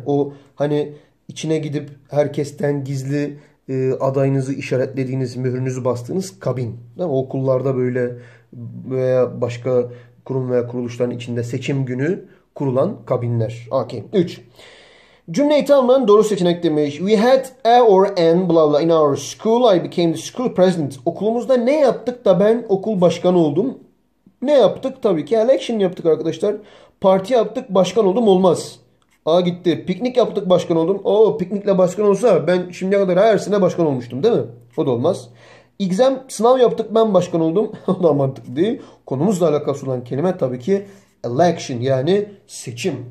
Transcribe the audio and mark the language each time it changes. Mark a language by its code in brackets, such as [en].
[tr] O hani içine gidip herkesten gizli adayınızı işaretlediğiniz, mührünüzü bastığınız kabin. Değil mi? Okullarda böyle veya başka kurum veya kuruluşların içinde seçim günü kurulan kabinler. Okay. 3. Cümleyi tamamen doğru seçenek demiş. [en] We had A or N blah blah in our school. I became the school president. [tr] Okulumuzda ne yaptık da ben okul başkanı oldum? Ne yaptık? Tabii ki election yaptık arkadaşlar. Parti yaptık, başkan oldum olmaz. A gitti. Piknik yaptık başkan oldum. O piknikle başkan olsa ben şimdiye kadar her sene başkan olmuştum değil mi? O da olmaz. Sınav yaptık ben başkan oldum. O da mantıklı değil. Konumuzla alakası olan kelime tabii ki election yani seçim.